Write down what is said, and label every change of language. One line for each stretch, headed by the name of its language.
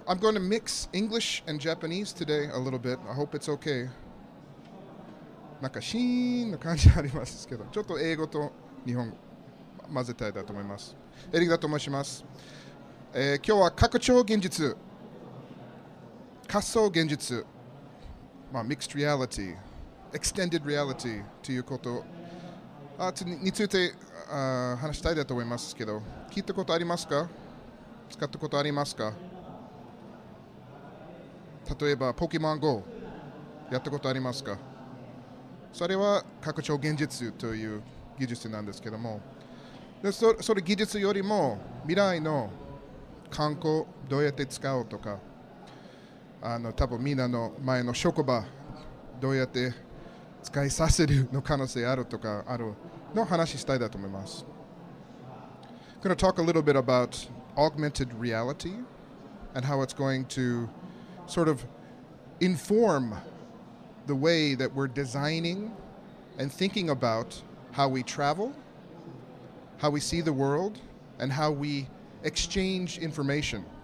English: I'm going to mix English and Japanese today a little bit. I hope it's okay.
Japanese: なんかシーンの感じありますけど、ちょっと英語と日本語混ぜたいだと思います。エリックだと申します。今日は拡張現実、仮想現実、まあ、mixed reality、extended reality ということについて話したいだと思いますけど、聞いたことありますか？使ったことありますか？例えばポケモン GO やったことありますか？それは拡張現実という技術なんですけども、でそれ技術よりも未来の観光どうやって使おうとか、多分みんなの前の職場どうやって使いさせるの可能性あるとかあるの話したいだと思います。
English: I'm going to talk a little bit about augmented reality and how it's going to sort of inform the way that we're designing and thinking about how we travel, how we see the world, and how we exchange information.